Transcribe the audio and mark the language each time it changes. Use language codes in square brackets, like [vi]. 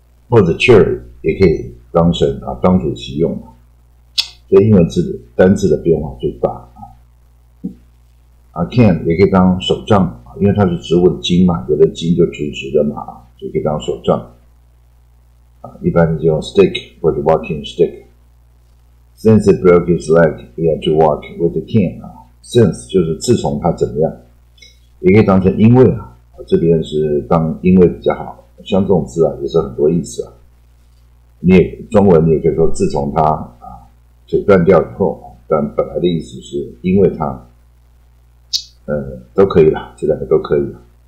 [zh] 或者 chair 也可以当成啊当主席用嘛，所以英文字的单字的变化最大啊。啊 ，can 也可以当手杖啊，因为它是植物的茎嘛，有的茎就直直的嘛，就可以当手杖。一般就用 stick 或者 walking stick。 [en] Since it broke his leg, he had to walk with the cane. [zh] Since 就是自从他怎么样，也可以当成因为啊，这边是当因为比较好。像这种字啊，也是很多意思啊。你也中文你也可以说自从他啊腿断掉以后，但本来的意思是因为他，都可以了，这两个都可以了。